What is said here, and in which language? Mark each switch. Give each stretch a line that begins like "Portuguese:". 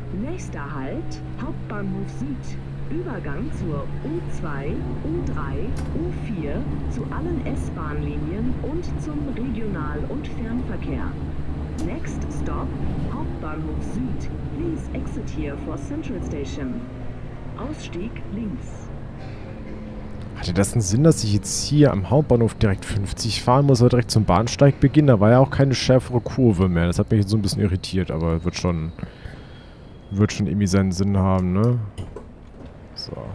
German: Nächster Halt, Hauptbahnhof Süd. Übergang zur U2, U3, U4, zu allen S-Bahn-Linien und zum Regional- und Fernverkehr.
English: Next Stop, Hauptbahnhof Süd. Please exit here for Central Station.
German: Ausstieg links. Hatte das einen Sinn, dass ich jetzt hier am Hauptbahnhof direkt 50 fahren muss oder direkt zum Bahnsteig beginnen? Da war ja auch keine schärfere Kurve mehr. Das hat mich jetzt so ein bisschen irritiert, aber wird schon irgendwie seinen Sinn haben, ne? So.